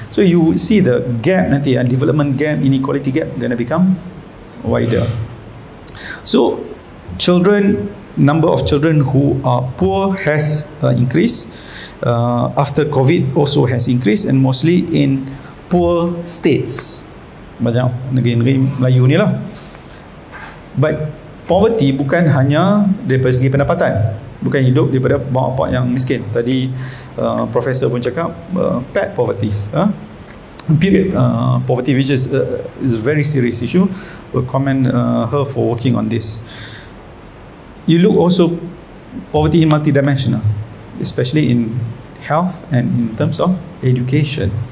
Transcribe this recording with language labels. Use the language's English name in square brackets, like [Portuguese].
[English] So, you see the gap nanti, development gap, inequality gap going to become wider. So, children, number of children who are poor has increased. After COVID also has increased and mostly in poor states. [Malay] Banyak negeri-negeri Melayu ni lah. But poverty bukan hanya daripada segi pendapatan. Bukan hidup daripada bapak yang miskin. Tadi profesor pun cakap pet poverty. [English] Period poverty, which is a very serious issue. We'll commend her for working on this. You look also poverty in multidimensional, especially in health and in terms of education.